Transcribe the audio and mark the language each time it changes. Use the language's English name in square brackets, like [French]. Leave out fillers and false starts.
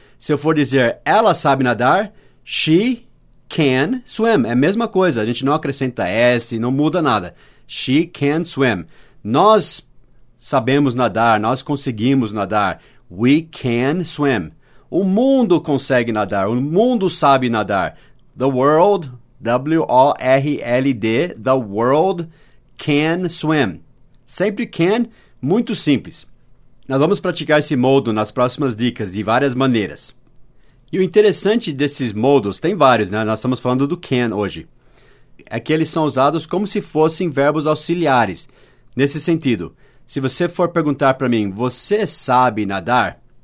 [Portuguese] Se eu for dizer ela sabe nadar, [English] she can swim. [Portuguese] É a mesma coisa, a gente não acrescenta S, não muda nada. [English] She can swim. [Portuguese] Nós sabemos nadar, nós conseguimos nadar. [English] We can swim. [Portuguese] O mundo consegue nadar, o mundo sabe nadar. [English] The world, W-O-R-L-D, the world can swim. [Portuguese] Sempre can, muito simples. Nós vamos praticar esse modo nas próximas dicas de várias maneiras. E o interessante desses modos, tem vários, né? Nós estamos falando do can hoje, é que eles são usados como se fossem verbos auxiliares. Nesse sentido, se você for perguntar para mim, você sabe nadar?